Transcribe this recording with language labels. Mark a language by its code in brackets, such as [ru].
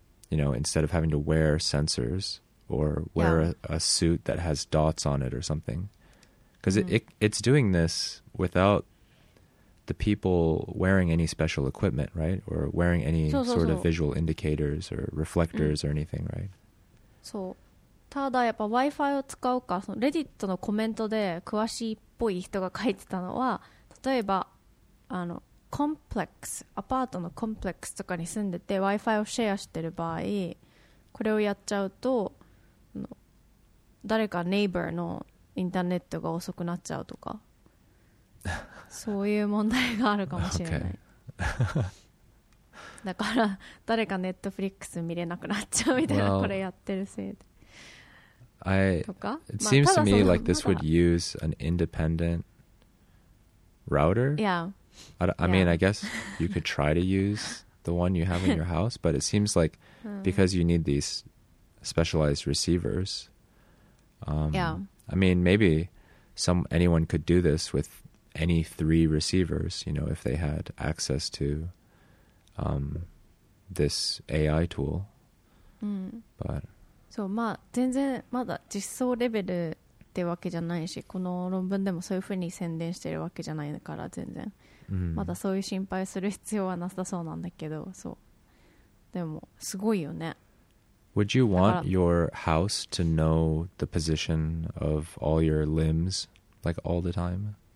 [en] You know, instead of having to wear sensors or wear a suit that has dots on it or something. Because it's doing this without the people wearing any special equipment, right? Or wearing any sort of visual indicators or reflectors or anything, right? [ja] So, ただやっぱ Wi-Fi を使うか、そのレディットのコメントで詳しいっぽい人が書いてたのは、例えばあのコンプレックス、アパートのコンプレックスとかに住んでて Wi-Fi をシェアしてる場合、これをやっちゃうと誰かネイバーのインターネットが遅くなっちゃうとか、そういう問題があるかもしれない。だから誰かネットフリックス見れなくなっちゃうみたいな、これやってるせいで。 [en] It seems to me like this would use an independent router. Yeah. I mean, I guess you could try to use the one you have in your house, but it seems like because you need these specialized receivers. I mean, maybe anyone could do this with any three receivers, you know, if they had access to this AI tool. But. [ja] そう、まあ、全然まだ実装レベルってわけじゃないし、この論文でもそういうふうに宣伝してるわけじゃないから、全然まだそういう心配する必要はなさそうなんだけど、そう、でもすごいよね。 [en] Would you want your house to know the position of all your limbs like all the time?